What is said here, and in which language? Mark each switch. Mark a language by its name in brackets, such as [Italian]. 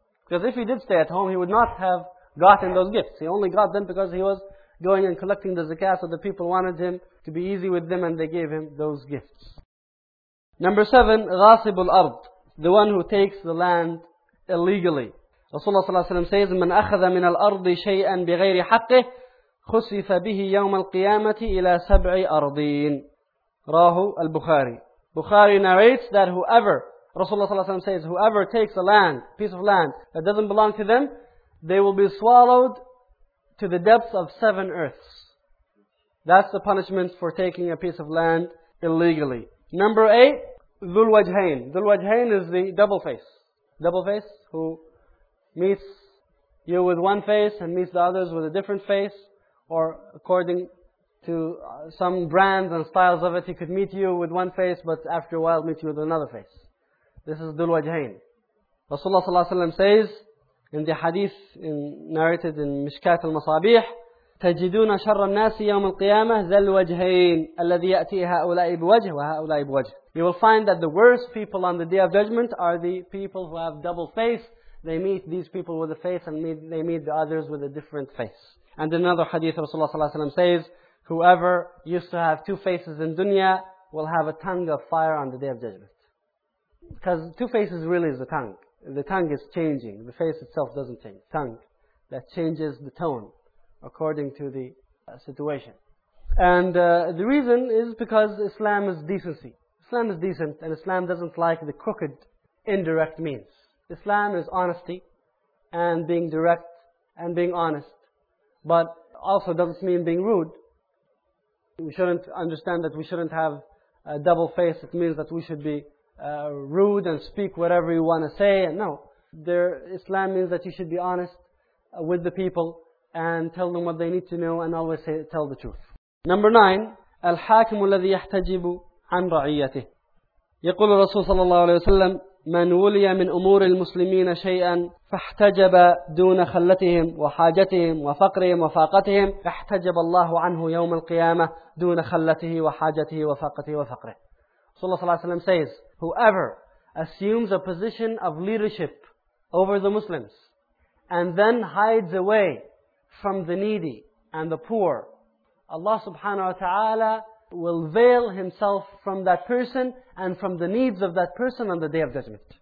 [English] Because if he did stay at home, he would not have gotten those gifts. He only got them because he was going and collecting the zakah, so the people wanted him to be easy with them and they gave him those gifts. Number 7, [Arabic] غاصب الأرض, [English] the one who takes the land illegally. Rasulullah sallallahu alayhi wa sallam says, [Arabic] "من أخذ من الأرض شيئا بغير حقه خسف به يوم القيامة إلى سبع أرضين." راه البخاري. [English] Bukhari narrates that whoever, Rasulullah sallallahu alayhi wa sallam says, whoever takes a land, piece of land that doesn't belong to them, they will be swallowed to the depths of 7 earths. That's the punishment for taking a piece of land illegally. Number 8, Dhul Wajhain. Dhul Wajhain is the double face. Double face, who meets you with one face and meets the others with a different face, or according to some brands and styles of it, he could meet you with one face, but after a while meet you with another face. This is Dhul Wajhain. Rasulullah ﷺ says in the hadith narrated in Mishkat al-Masabih, [Arabic] تَجِدُونَ شَرَّ النَّاسِ يَوْمَ الْقِيَامَةِ ذَا الْوَجْهَيْنِ الَّذِي يَأْتِي هَؤُلَاءِ بِوَجْهِ وَهَؤُلَاءِ بِوَجْهِ. [English] You will find that the worst people on the Day of Judgment are the people who have double face. They meet these people with a face and they meet the others with a different face. And in another hadith, Rasulullah ﷺ says, whoever used to have two faces in dunya will have a tongue of fire on the Day of Judgment. Because two faces really is the tongue. The tongue is changing. The face itself doesn't change. Tongue. That changes the tone according to the situation. And the reason is because Islam is decency. Islam is decent, and Islam doesn't like the crooked indirect means. Islam is honesty and being direct and being honest, but also doesn't mean being rude. We shouldn't understand that we shouldn't have a double face. It means that we should be rude and speak whatever you want to say. No, Islam means that you should be honest with the people and tell them what they need to know, and always say, tell the truth. Number 9, [Arabic] الحاكم الذي يحتجب عن رعيته. يقول الرسول صلى الله عليه وسلم من ولي من أمور المسلمين شيئا فاحتجب دون خلتهم وحاجتهم وفقرهم وفاقتهم احتجب الله عنه يوم القيامة دون خلته وحاجته وفاقته وفقره. صلى الله عليه وسلم [English] says, whoever assumes a position of leadership over the Muslims and then hides away from the needy and the poor, Allah subhanahu wa ta'ala will veil himself from that person and from the needs of that person on the Day of Judgment.